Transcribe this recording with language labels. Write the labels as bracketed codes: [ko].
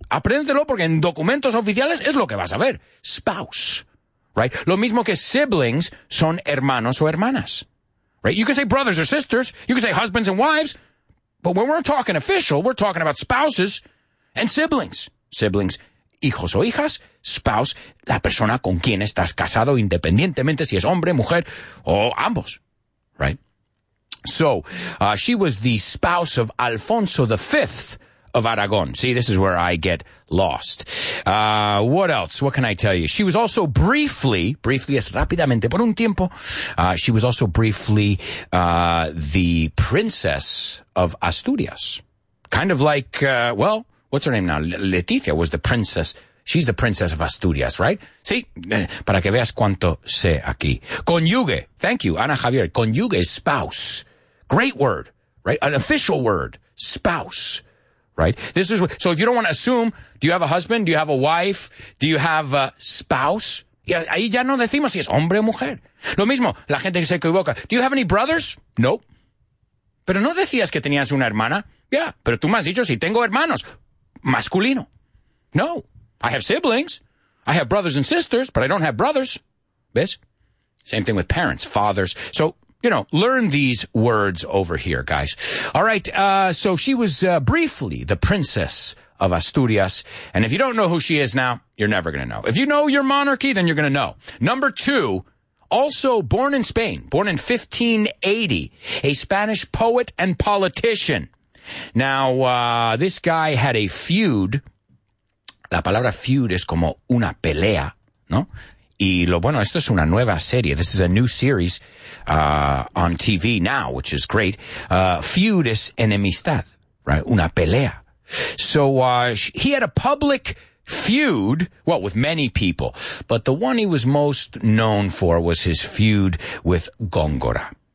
[es] Apréndetelo porque en documentos oficiales es lo que vas a ver. Spouse. Right? Lo mismo que siblings son hermanos o hermanas. [en] Right? You can say brothers or sisters. You can say husbands and wives. But when we're talking official, we're talking about spouses and siblings. [es] Siblings, hijos o hijas, spouse, la persona con quien estás casado, independientemente si es hombre, mujer, o ambos. [en] Right? So, she was the spouse of Alfonso V of Aragon. See, this is where I get lost. What else? What can I tell you? She was also briefly [es] es rápidamente, por un tiempo, [en] she was also briefly the princess of Asturias. Kind of like, well, what's her name now? Leticia was the princess. She's the princess of Asturias, right? [es] Sí, para que veas cuánto sé aquí. [en] Cónyuge. Thank you, Ana Javier. Cónyuge is spouse. Great word, right? An official word, spouse. Right. This is what, so if you don't want to assume, do you have a husband? Do you have a wife? Do you have a spouse? [es] Ahí ya no decimos si es hombre o mujer. Lo mismo, la gente se equivoca. [en] Do you have any brothers? Nope. [es] Pero no decías que tenías una hermana. Yeah, pero tú me has dicho si tengo hermanos. [en] Masculino. No. I have siblings. I have brothers and sisters, but I don't have brothers. [es] ¿Ves? [en] Same thing with parents, fathers. So, you know, learn these words over here, guys. All right, so she was briefly the princess of Asturias. And if you don't know who she is now, you're never going to know. If you know your monarchy, then you're going to know. Number two, also born in Spain, born in 1580, a Spanish poet and politician. Now, this guy had a feud. [es] La palabra feud es como una pelea, ¿no? Y lo bueno, esto es una nueva serie. [en] This is a new series on TV now, which is great. Feud [es] es enemistad, [en] right? [es] Una pelea. [en] So he had a public feud, well, with many people. But the one he was most known for was his feud with Góngora.